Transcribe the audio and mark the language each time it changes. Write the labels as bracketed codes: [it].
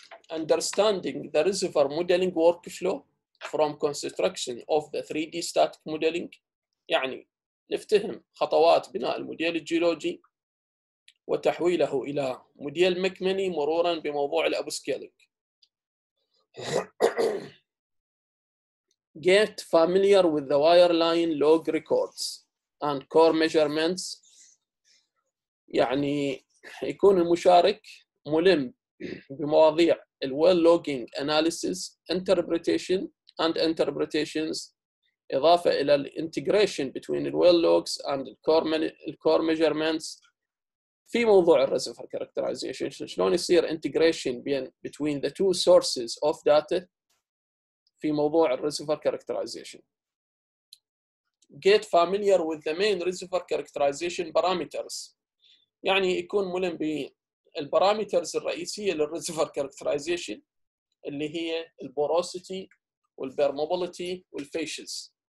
[en] Understanding the reservoir modeling workflow from construction of the 3D static modeling، [ar] يعني نفتهم خطوات بناء الموديل الجيولوجي وتحويله إلى موديل مكمني مرورا بموضوع الأبو سكيلينج. [en] Get familiar with the wireline log records and core measurements، [ar] يعني يكون المشارك ملم بمواضيع [en] الwell logging analysis interpretation and interpretations، [ar] إضافة إلى [en] الintegration between the well logs and the core measurements [ar] في موضوع [en] الreservoir characterization. [ar] شلون يصير [en] integration between the two sources of data [ar] في موضوع الريزيفر كاركترايزيشن. [en] Get familiar with the main reservoir characterization parameters. [ar] يعني يكون ملم بالبارامترز الرئيسية للreservoir characterization اللي هي الporosity والpermeability والfacials.